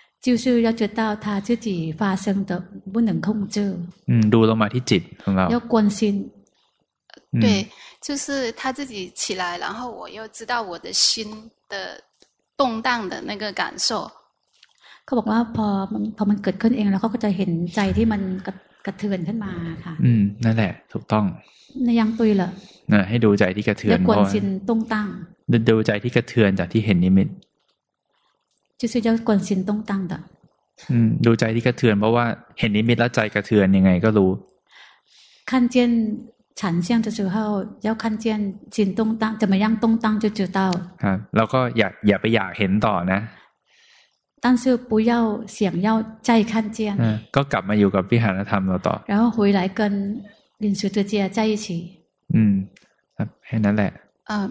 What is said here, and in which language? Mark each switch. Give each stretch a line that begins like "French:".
Chinese: 就是要知道他自己发生的不能控制。嗯，读了嘛，提起，要关心。对，就是他自己起来，然后我又知道我的心的动荡的那个感受。
Thai: เขาบอกว่าพอมันเกิดขึ้นเองแล้วเขาก็จะเห็นใจที่มันกระเทือนขึ้นมาค่ะ。嗯，นั่นแหละถูกต้อง。
Chinese: 那样对了。
Thai: 那ให้ดูใจที่กระเทือน。
Chinese: 要关心动荡。
Thai: ดูใจที่กระเทือนจากที่เห็นนิมิต。
Chinese: 就是要关心动荡的。
Thai: 嗯，ดูใจที่กระเทือนเพราะว่าเห็นนิมิตแล้วใจกระเทือนยังไงก็รู้。
Chinese: 看见产生的时候，要看见心动荡，怎么样动荡就知道。
Thai: ครับ，แล้วก็อย่าไปอยากเห็นต่อนะ。
Chinese: 但是不要想要再看见。
Thai: ก็กลับมาอยู่กับวิหารธรรมเราต่อ。
Chinese: 然后回来跟临时的姐在一起。
Thai: 嗯，ครับ，แค่นั้นแหละ。